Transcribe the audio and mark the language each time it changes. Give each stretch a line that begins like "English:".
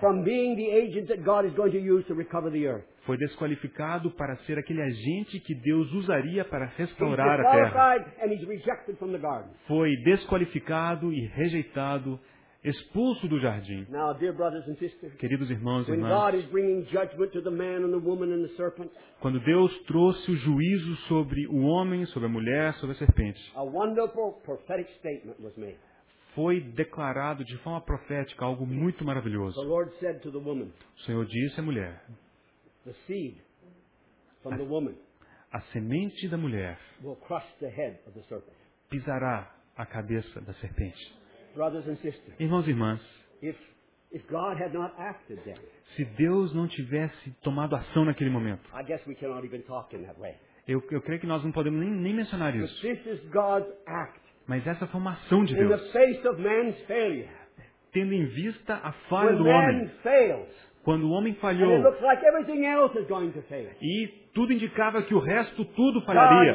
English: From being the agent that God is going to use to recover the earth.
Portuguese: Foi desqualificado para ser aquele agente que Deus usaria para restaurar a terra.
English: He's disqualified and he's rejected from the garden.
Portuguese: Foi desqualificado e rejeitado, expulso do jardim.
English: Now, dear brothers and sisters,
Portuguese: queridos irmãos e irmãs,
English: God is bringing judgment to the man and the woman and the serpent,
Portuguese: quando Deus trouxe o juízo sobre o homem, sobre a mulher, sobre a serpente,
English: a wonderful prophetic statement was made.
Portuguese: Foi declarado de forma profética algo muito maravilhoso.
English: The Lord said to the woman,
Portuguese: o Senhor disse à mulher,
English: the seed from the woman,
Portuguese: a semente da mulher
English: will crush the head of the serpent,
Portuguese: pisará a cabeça da serpente.
English: Brothers and sisters,
Portuguese: irmãos e irmãs,
English: if God had not acted then,
Portuguese: se Deus não tivesse tomado ação naquele momento,
English: I guess we cannot even talk in that way.
Portuguese: Eu creio que nós não podemos nem mencionar isso.
English: But this is God's act.
Portuguese: Mas essa foi uma ação de
English: in
Portuguese: Deus.
English: The face of man's failure,
Portuguese: tendo em vista a falha do homem, quando o homem falhou,
English: and it looks like everything else is going to fail.
Portuguese: E tudo indicava que o resto tudo falharia,